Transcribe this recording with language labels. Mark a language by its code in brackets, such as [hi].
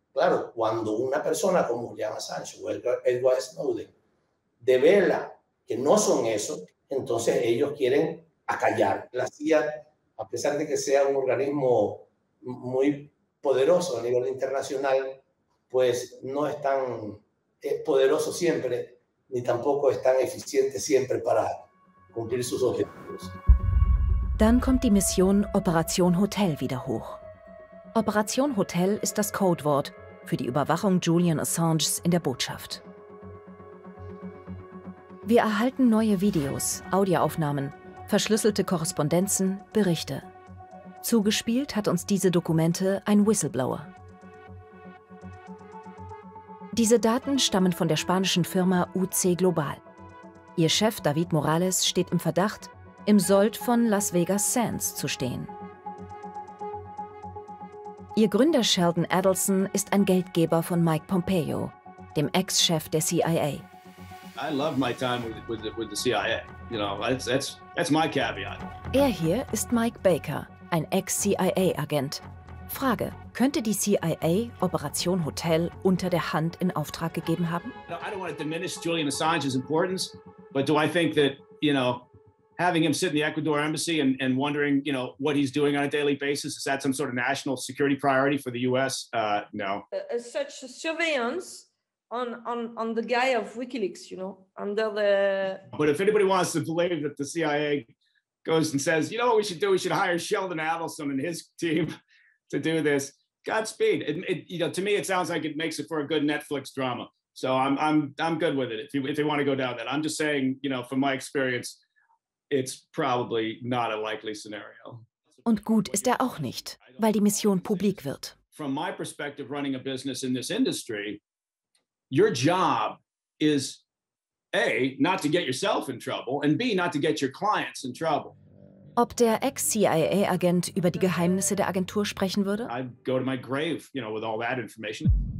[es] Claro, cuando una persona como Julian Assange o Edward Snowden devela que no son eso, entonces ellos quieren acallar. La CIA, a pesar de que sea un organismo muy poderoso a nivel internacional, pues no es tan poderoso siempre, ni tampoco es tan eficiente siempre para cumplir sus objetivos. [de] Dann kommt die Mission Operation Hotel wieder hoch. Operation Hotel ist das Codewort für die Überwachung Julian Assanges in der Botschaft. Wir erhalten neue Videos, Audioaufnahmen, verschlüsselte Korrespondenzen, Berichte. Zugespielt hat uns diese Dokumente ein Whistleblower. Diese Daten stammen von der spanischen Firma UC Global. Ihr Chef David Morales steht im Verdacht, im Sold von Las Vegas Sands zu stehen. Ihr Gründer Sheldon Adelson ist ein Geldgeber von Mike Pompeo, dem Ex-Chef der CIA. [en] I love my time with the CIA. You know, that's my caveat. [de] Er hier ist Mike Baker, ein Ex-CIA-Agent. Frage: Könnte die CIA Operation Hotel unter der Hand in Auftrag gegeben haben? [en] No, I don't want to diminish Julian Assange's importance, but do I think that, you know, having him sit in the Ecuador embassy and wondering, you know, what he's doing on a daily basis, is that some sort of national security priority for the U.S.? No. Such surveillance on the guy of WikiLeaks, you know, under the... But if anybody wants to believe that the CIA goes and says, you know what we should do? We should hire Sheldon Adelson and his team to do this. Godspeed. You know, to me, it sounds like it makes it for a good Netflix drama. So I'm good with it if you want to go down that. I'm just saying, you know, from my experience, it's probably not a likely scenario. [de] Und gut ist auch nicht, weil die Mission publik wird. [en] From my perspective, running a business in this industry, your job is A, not to get yourself in trouble, and B, not to get your clients in trouble. [de] Ob der Ex-CIA-Agent über die Geheimnisse der Agentur sprechen würde? [en] I'd go to my grave, you know, with all that information.